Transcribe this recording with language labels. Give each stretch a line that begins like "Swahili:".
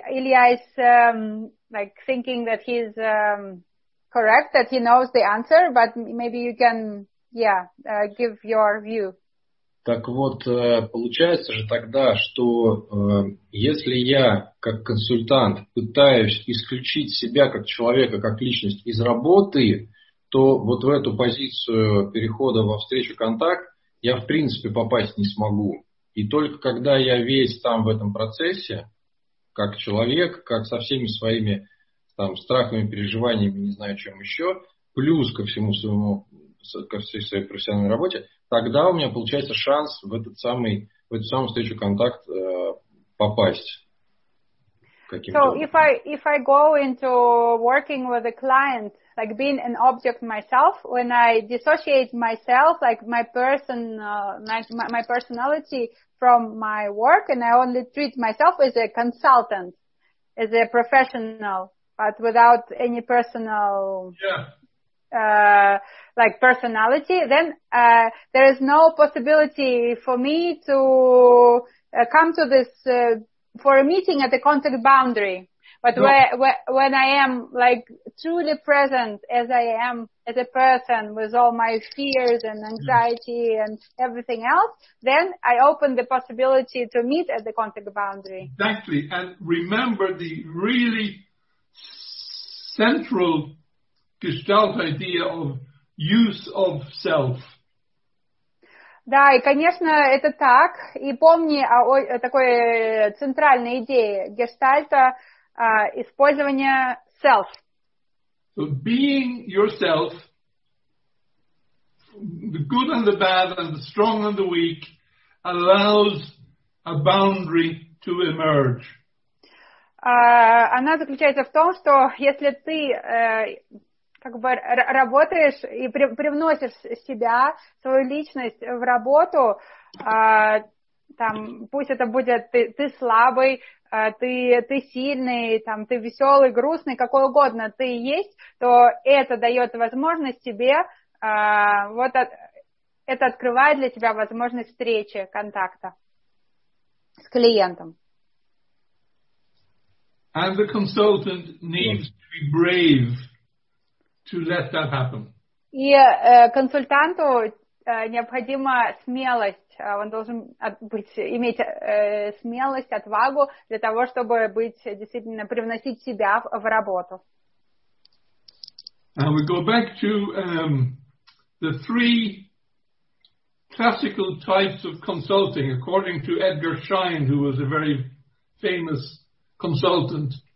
English: Ilya is like thinking that he's correct, that he knows the answer, but maybe you can, yeah, give your view.
Russian: Так вот, получается же тогда, что если я, как консультант, пытаюсь исключить себя как человека, как личность из работы, то вот в эту позицию перехода во встречу-контакт я, в принципе, попасть не смогу. И только когда я весь там в этом процессе, как человек, как со всеми своими там страхами, переживаниями, не знаю, чем еще, плюс ко всему своему, ко всей своей профессиональной работе, тогда у меня получается шанс в этот самый, в эту самую встречу контакт попасть.
English: So if I go into working with a client, like being an object myself, when I dissociate myself, like my person, my personality from my work, and I only treat myself as a consultant, as a professional, but without any personal, like personality, then there is no possibility for me to come to this for a meeting at the contact boundary. But when I am like truly present as I am as a person with all my fears and anxiety and everything else, then I open the possibility to meet at the contact boundary. Exactly, and remember the really central Gestalt idea of use of self.
Russian: Да, и конечно, это так. И помни о такой центральной идее гештальта использования
English: self. So being yourself, the good and the bad and the strong and the weak, allows a boundary to emerge.
Russian: Она заключается в том, что если ты как бы работаешь и привносишь себя, свою личность в работу, там, пусть это будет ты слабый, ты сильный, там, ты веселый, грустный, какой угодно ты есть, то это дает возможность тебе, вот это открывает для тебя возможность встречи, контакта с клиентом.
English: And the consultant needs to be brave to let that happen.
Russian: И консультанту необходима смелость. Он должен иметь смелость, отвагу для того, чтобы быть действительно привносить себя в работу.
English: And we go back to the three classical types of consulting, according to Edgar Schein, who was a very famous consultant.